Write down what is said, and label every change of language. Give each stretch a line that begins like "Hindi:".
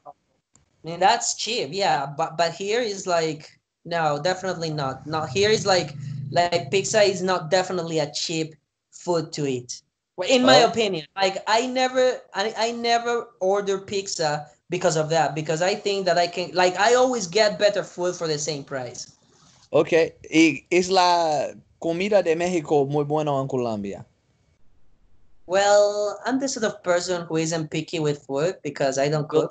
English: I mean, that's cheap, yeah. But here is like, no, definitely not. Not here is like pizza is not definitely a cheap food to eat. In my opinion, like I never order pizza because of that, because I think that I can, like, I always get better food for the same price. Okay.
Spanish: Is la comida de Mexico muy buena en Colombia?
English: Well, I'm the sort of person who isn't picky with food because I don't cook.